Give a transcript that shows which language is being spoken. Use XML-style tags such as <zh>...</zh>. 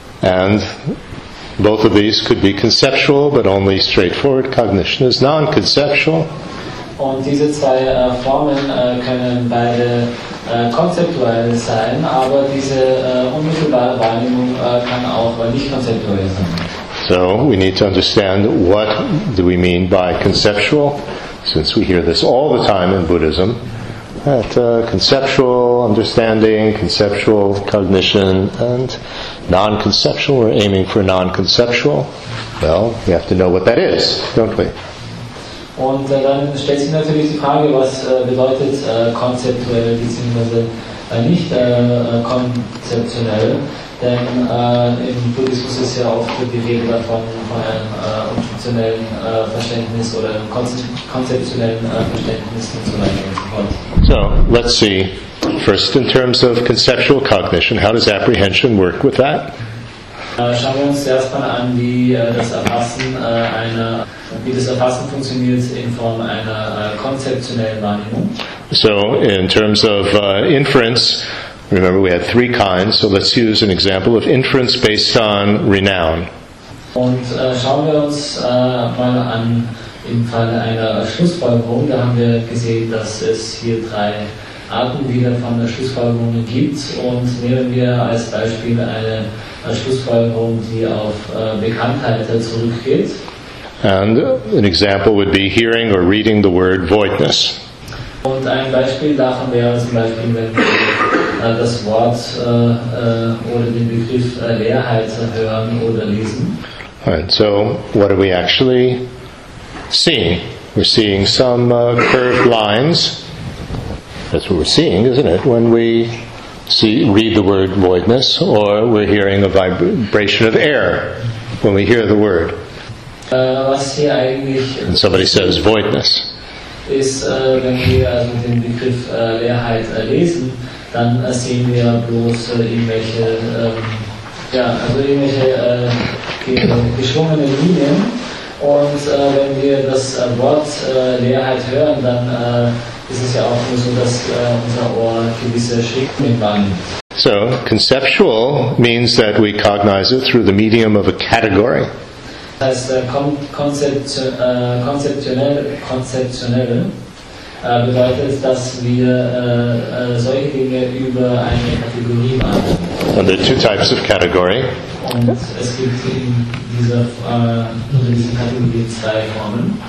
<en>And both of these could be conceptual, but only straightforward cognition is non-conceptual.</en> <de>Und diese zwei Formen können beide konzeptuell sein, aber diese unmittelbare Wahrnehmung kann auch nicht konzeptuell sein.</de> <en>So, we need to understand what do we mean by conceptual, since we hear this all the time in Buddhism, that conceptual understanding, conceptual cognition, and non-conceptual, we're aiming for non-conceptual. Well, we have to know what that is, don't we?</en> <de>Und dann stellt sich natürlich die Frage, was bedeutet konzeptuell bzw. nicht konzeptionell, denn im Buddhismus ist ja oft die Rede davon, von einem funktionellen Verständnis oder einem konzeptionellen Verständnis und so weiter und so fort.</de> <en>So, let's see. First, in terms of conceptual cognition, how does apprehension work with that?</en> <de>Schauen wir uns erstmal an, wie das Erfassen einer, wie das Erfassen funktioniert in Form einer konzeptionellen Wahrnehmung.</de> <en>So, in terms of inference, remember we had three kinds, so let's use an example of inference based on renown.</en> <de>Und schauen wir uns mal an, im Fall einer Schlussfolgerung, da haben wir gesehen, dass es hier drei Arten wieder von der Schlussfolgerung gibt, und nehmen wir als Beispiel eine Schlussfolgerung, die auf Bekanntheit zurückgeht.</de> <en>And an example would be hearing or reading the word voidness.</en> <de>Und ein Beispiel davon wäre zum Beispiel, wenn wir das Wort oder den Begriff Leerheit hören oder lesen.</de> <en>Alright, so what are we actually seeing? We're seeing some curved lines. That's what we're seeing, isn't it? When we see, read the word voidness, or we're hearing a vibration of air when we hear the word.</en> <de>Was hier eigentlich,</de> <en>and somebody says voidness.</en> <de>Ist, wenn wir also den Begriff Leerheit lesen, dann sehen wir bloß irgendwelche, ja, also irgendwelche geschwungenen Linien. Und wenn wir das Wort Leerheit hören, dann ist es ja auch nur so, dass unser Ohr gewisse Schwingungen wahrnimmt.</de> <en>So, conceptual means that we cognize it through the medium of a category.</en> <de>Das heißt, konzeptionell bedeutet, dass wir solche Dinge über eine Kategorie wahrnehmen.</de> <en>And there are two types of category.</en> <de>Und es gibt in dieser Kategorie zwei Formen.</de>